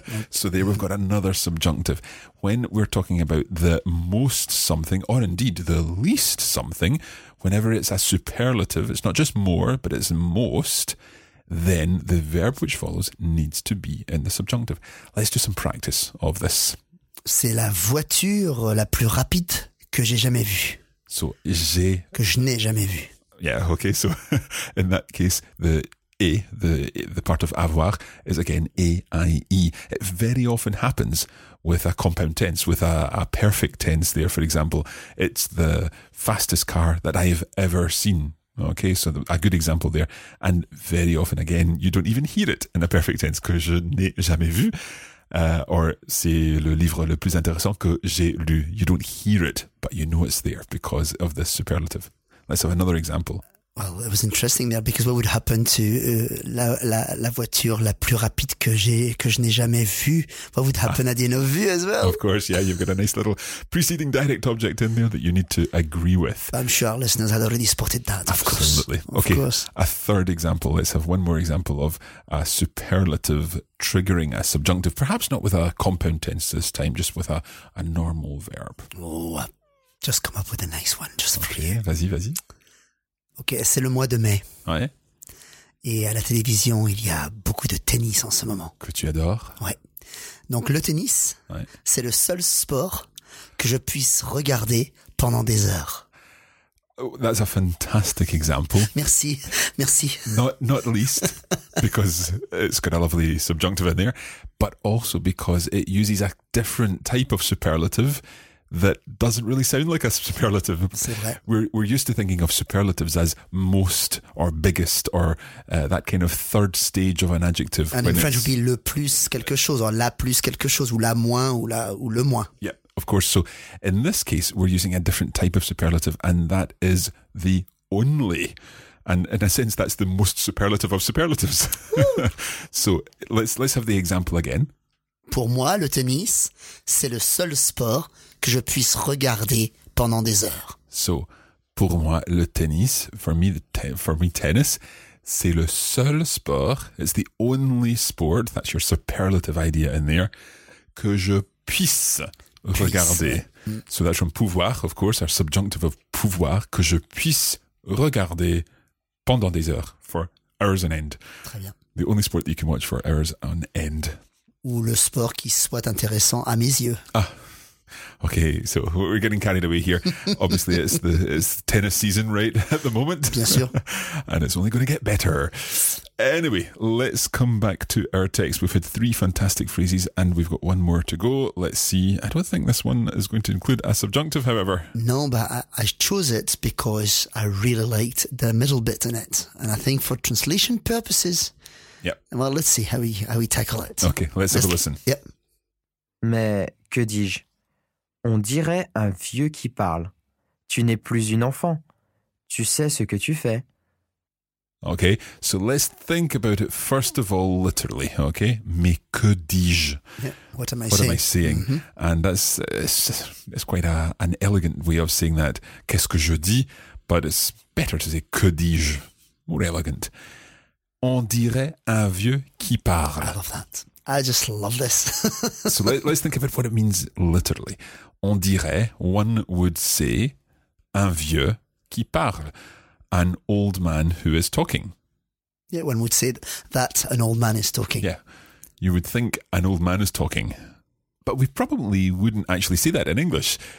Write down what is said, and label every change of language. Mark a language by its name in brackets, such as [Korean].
[English] So there we've got another subjunctive. When we're talking about the most something, or indeed the least something, whenever it's a superlative, it's not just more, but it's most, then the verb which follows needs to be in the subjunctive. Let's do some practice of this. [French] C'est la voiture la plus rapide que j'ai jamais vue. [English] So, j'ai... [French] Que je n'ai jamais vue. [English] Yeah, okay, so in that case, the part of avoir is again A-I-E. It very often happens with a compound tense, with a perfect tense there, for example. It's the fastest car that I've ever seen. Okay, so a good example there. And very often, again, you don't even hear it in a perfect tense, [French] que je n'ai jamais vu. Or c'est le livre le plus intéressant que j'ai lu. [English] You don't hear it, but you know it's there because of the superlative. Let's have another example. Well, it was interesting there because what would happen to [French] la voiture la plus rapide que je n'ai jamais vue? [English] What would happen at the end of vue as well? Of course, yeah, you've got a nice little preceding direct object in there that you need to agree with. I'm sure our listeners had already spotted that, Absolutely. Of course. A third example. Let's have one more example of a superlative triggering a subjunctive, perhaps not with a compound tense this time, just with a normal verb. Oh, just come up with a nice one just okay, for you. [French] Vas-y. Ok, c'est le mois de mai. Ouais. Et à la télévision, il y a beaucoup de tennis en ce moment. Que tu adores. Ouais. Donc le tennis, ouais. C'est le seul sport que je puisse regarder pendant des heures. [English] Oh, that's a fantastic example. [French] Merci. [English] Not least because it's got a lovely subjunctive in there, but also because it uses a different type of superlative. That doesn't really sound like a superlative. [French] C'est vrai. [English] We're used to thinking of superlatives as most or biggest or that kind of third stage of an adjective. And in French, it would be [French] le plus quelque chose or la plus quelque chose ou la moins ou le moins. [English] Yeah, of course. So in this case, we're using a different type of superlative and that is the only. And in a sense, that's the most superlative of superlatives. So let's have the example again. [French] Pour moi, le tennis, c'est le seul sport que je puisse regarder pendant des heures. [English] So, [French] pour moi, le tennis, [English] for me, tennis, [French] c'est le seul sport, [English] it's the only sport, that's your superlative idea in there, [French] que je puisse regarder. [English] So that's from pouvoir, of course, our subjunctive of pouvoir, [French] que je puisse regarder pendant des heures, [English] for hours on end. [French] Très bien. [English] The only sport that you can watch for hours on end. [French] Ou le sport qui soit intéressant à mes yeux. [English] Ah, okay, so we're getting carried away here. Obviously, it's tennis season right at the moment. [French] Bien sûr. [English] And it's only going to get better. Anyway, let's come back to our text. We've had three fantastic phrases and we've got one more to go. Let's see. I don't think this one is going to include a subjunctive, however. No, but I chose it because I really liked the middle bit in it. And I think for translation purposes... Yep. Well, let's see how we tackle it. Okay, let's have a listen. Yep. [French] Mais que dis-je? On dirait un vieux qui parle. Tu n'es plus une enfant. Tu sais ce que tu fais. [English] Okay, so let's think about it first of all literally, okay? [French] Mais que dis-je? [English] Yeah, what am I what What am I saying? Mm-hmm. And that's it's quite an elegant way of saying that. [French] Qu'est-ce que je dis? [English] But it's better to say [French] que dis-je. [English] More elegant. [French] On dirait un vieux qui parle. [English] I love that. I just love this. So let's think of it, what it means literally. [French] On dirait, [English] one would say, [French] un vieux qui parle. [English] an old man who is talking. Yeah, one would say that an old man is talking. Yeah, you would think an old man is talking. But we probably wouldn't actually say that in English.